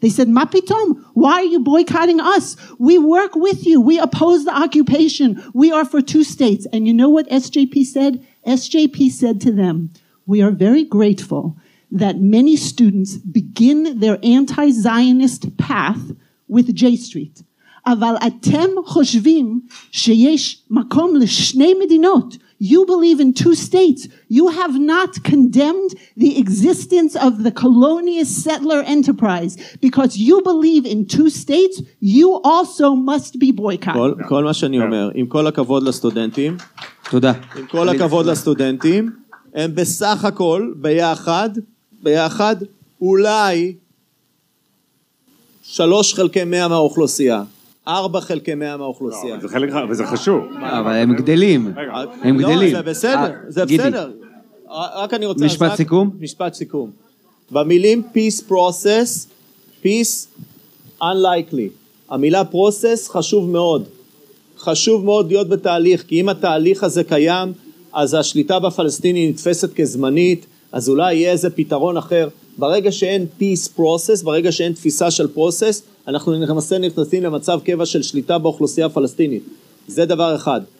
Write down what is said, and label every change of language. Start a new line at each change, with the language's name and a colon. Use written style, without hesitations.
English: They said,
Hebrew: "Ma pitom,
English: why are you boycotting us? We work with you. We oppose the occupation. We are for two states." And you know what SJP said? SJP said to them, "We are very grateful that many students begin their anti-Zionist path with J Street.
Hebrew: אבל אתם חושבים שיש מקום לשני מדינות.
English: You believe in two states. You have not condemned the existence of the colonial settler enterprise. Because you believe in two states, you also must be boycotted.
Hebrew: כל מה שאני אומר, עם כל הכבוד לסטודנטים, תודה. עם כל הכבוד לסטודנטים, הם בסך הכל ביחד, ביחד, אולי 3 חלקי 100 מהאוכלוסייה. 4 חלקי 100 מהאוכלוסייה. זה חלק, וזה חשוב. אבל הם גדלים. הם גדלים. לא, זה בסדר. זה בסדר. רק אני רוצה... משפט סיכום? משפט סיכום. במילים
English: peace process, peace unlikely.
Hebrew: המילה process חשוב מאוד. חשוב מאוד להיות בתהליך, כי אם התהליך הזה קיים, אז השליטה בפלסטיני נתפסת כזמנית, אז אולי יהיה איזה פתרון אחר. ברגע שאין
English: peace process,
Hebrew: ברגע שאין תפיסה של process, אנחנו נכנסים למצב קבע של שליטה באוכלוסייה הפלסטינית. זה דבר אחד.